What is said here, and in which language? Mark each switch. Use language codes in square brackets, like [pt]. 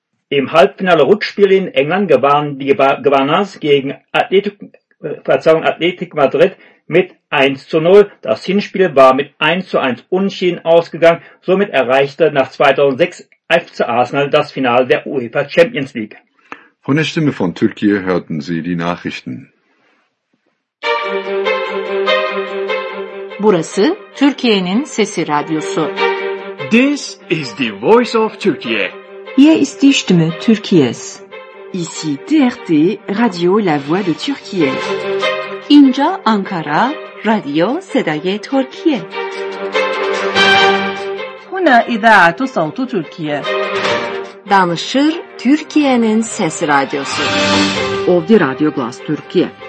[de] Im Halbfinale-Rückspiel in England gewannen die Gunners gegen Athletic Madrid mit 1:0. Das Hinspiel war mit 1:1 unentschieden ausgegangen. Somit erreichte nach 2006 FC Arsenal das Finale der UEFA Champions League. Von der Stimme von Türkiye hörten Sie die Nachrichten. [tr] Burası Türkiye'nin Sesi Radyosu. [en] This is the voice of Türkiye. [de] Hier ist die Stimme Türkiye's. [fr] Ici TRT, Radio La Voix de Türkiye. [fa] اینجا آنکارا، رادیو صدای ترکیه. [ar] هنا اذاعت صوت ترکیه. [az] دانشر ترکیه‌نین سس رادیوسو. اوودی رادیو گلاس ترکیه.